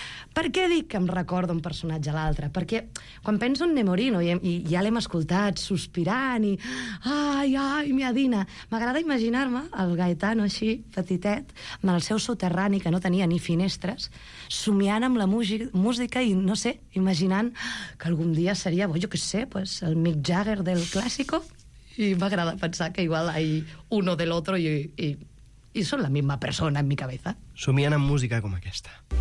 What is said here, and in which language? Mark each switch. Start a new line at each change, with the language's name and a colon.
Catalan: Per què dic que em recordo un personatge a l'altre? Perquè quan penso en Nemorino i ja l'hem escoltat sospirant i... Ai, ai, mia Dina! M'agrada imaginar-me el Gaetano així, petitet, amb el seu soterrani que no tenia ni finestres, somiant amb la música i, no sé, imaginant que algun dia seria, bo, jo què sé, pues, el Mick Jagger del clàssico. I m'agrada pensar que igual
Spanish: hay uno del otro y son la misma persona en mi cabeza.
Catalan: Somiant amb música com aquesta.